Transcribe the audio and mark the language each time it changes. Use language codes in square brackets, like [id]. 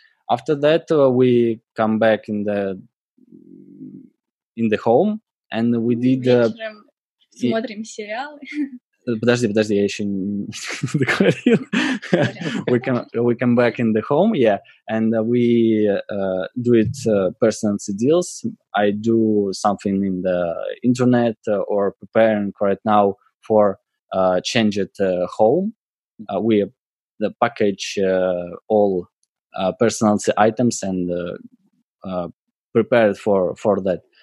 [en] After that, we come back in the home, and we did. [ru] Смотрим сериалы. Подожди, я еще не договорил. [en] We come back in the home, yeah, and we do it personality deals. I do something in the internet or preparing right now for change at home. We package all personality items and prepare it for that.